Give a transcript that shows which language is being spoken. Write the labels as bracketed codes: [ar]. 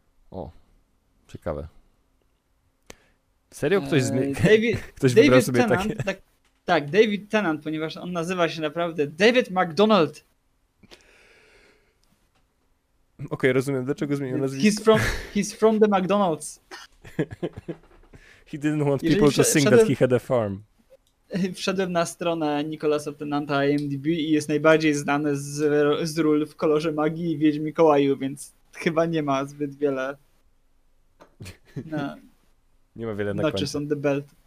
[pl] O, ciekawe. Serio? Ktoś ktoś wybrał David sobie Tennant, takie... Tak, David Tennant, ponieważ on nazywa się naprawdę David MacDonald. Okej, rozumiem, dlaczego zmienił nazwisko. [en] He's from the McDonald's. He didn't want people to think that he had a farm. [pl] Wszedłem na stronę Nicholasa Tennanta IMDb i jest najbardziej znany z ról w Kolorze Magii i Wiedźmi Kołaju, więc chyba nie ma zbyt wiele. Nie ma wiele na końcu. [en] Notches on the belt.